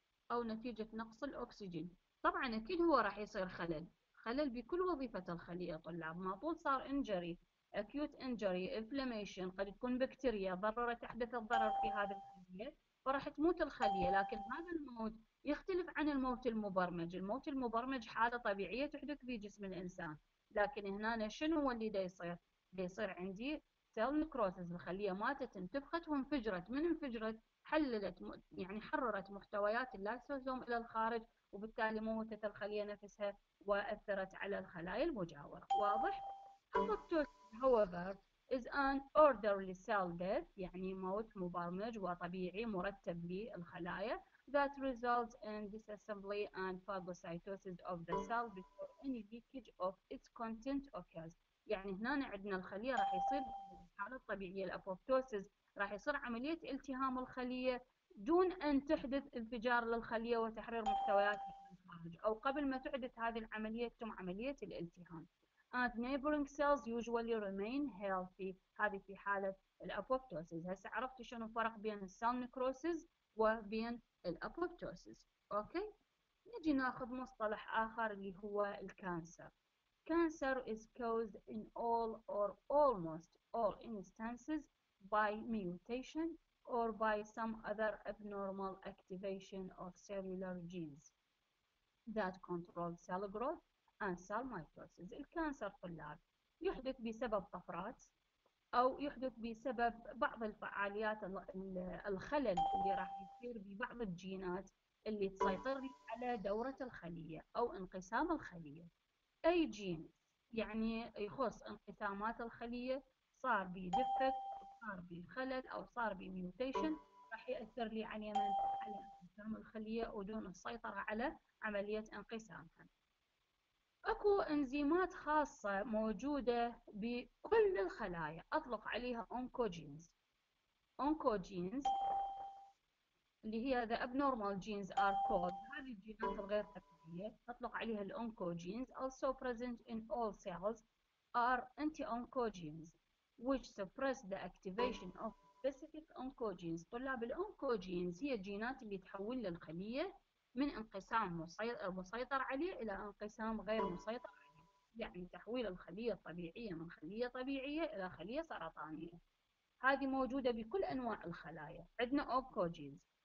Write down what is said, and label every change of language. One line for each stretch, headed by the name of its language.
Arabic: أو نتيجة نقص الأكسجين. طبعا أكيد هو راح يصير خلل، خلل بكل وظيفة الخلية طلاب، ما طول صار انجري، اكيوت انجري، انفلاميشن، قد تكون بكتيريا ضررت تحدث الضرر في هذه الخلية فراح تموت الخلية، لكن هذا الموت يختلف عن الموت المبرمج، الموت المبرمج حالة طبيعية تحدث في جسم الإنسان، لكن هنا شنو هو اللي يصير؟ بيصير عندي سيل نكروسس، الخلية ماتت انتفخت وانفجرت، من انفجرت حللت يعني حررت محتويات اللايسوزوم إلى الخارج وبالتالي موتت الخلية نفسها وأثرت على الخلايا المجاورة. واضح؟
English: apoptosis however is an orderly cell death
Arabic: يعني موت مبرمج وطبيعي مرتب للخلايا
English: that results in disassembly and phagocytosis of the cell before any leakage of its content occurs.
Arabic: يعني هنا عندنا الخلية راح يصير الحالة الطبيعية الأبوبتوسيس راح يصير عملية التهام الخلية دون أن تحدث انفجار للخلية وتحرير محتوياتها من الخارج أو قبل ما تحدث هذه العملية تم عملية الالتهام.
English: And neighboring cells usually remain healthy.
Arabic: هذه في حالة الأبوبتوسيس. هسه عرفتي شنو الفرق بين السيل نكروسيس وبين الأبوبتوسيس. أوكي؟ نجي ناخذ مصطلح آخر اللي هو الكانسر.
English: Cancer is caused in all or almost all instances by mutation or by some other abnormal activation of cellular genes that control cell growth and cell mitosis.
Arabic: الكانسر طلاب يحدث بسبب طفرات أو يحدث بسبب بعض الفعاليات الخلل اللي راح يصير ببعض الجينات اللي تسيطر على دورة الخلية أو انقسام الخلية. أي جين يعني يخص انقسامات الخلية صار بي دفك صار بي خلل أو صار بي ميوتيشن راح يأثر لي على من على انقسام الخلية ودون السيطرة على عملية انقسامها. أكو إنزيمات خاصة موجودة بكل الخلايا أطلق عليها أونكوجينز. أونكوجينز اللي هي
English: the abnormal genes are called
Arabic: هذه الجينات الغير طبيعية أطلق عليها الأونكوجينز
English: also present in all cells are anti-oncogenes which suppress the activation of specific oncogenes.
Arabic: طلاب الأونكوجينز هي الجينات اللي تحول للخلية من انقسام مسيطر عليه إلى انقسام غير مسيطر عليه يعني تحويل الخلية الطبيعية من خلية طبيعية إلى خلية سرطانية. هذه موجودة بكل أنواع الخلايا عندنا أونكوجينز.